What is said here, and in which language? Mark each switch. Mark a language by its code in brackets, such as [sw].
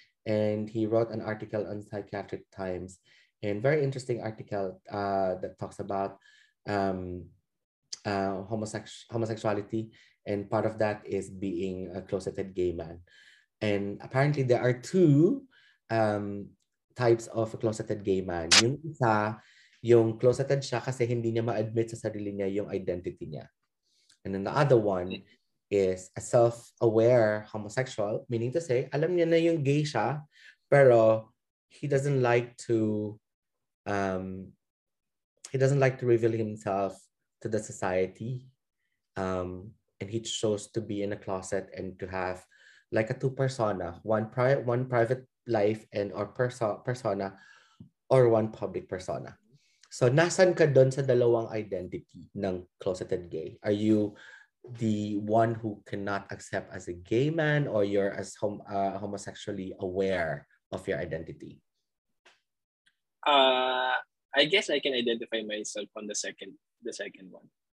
[en] And he wrote an article on Psychiatric Times, and very interesting article that talks about homosexuality, and part of that is being a closeted gay man. And apparently there are two types of a closeted gay man. [tl] Yung isa, yung closeted siya kasi hindi niya ma-admit sa sarili niya yung identity niya. [en] And then the other one is a self-aware homosexual, meaning to say, [tl] alam niya na yung gay siya, pero [en] he doesn't like to reveal himself to the society. And he chose to be in a closet and to have like a two persona, one private life and or persona or one public persona. [tl] So nasan ka dun sa dalawang identity ng closeted gay? [en] Are you the one who cannot accept as a gay man, or you're as homosexually aware of your identity? I guess I can identify myself on the second one.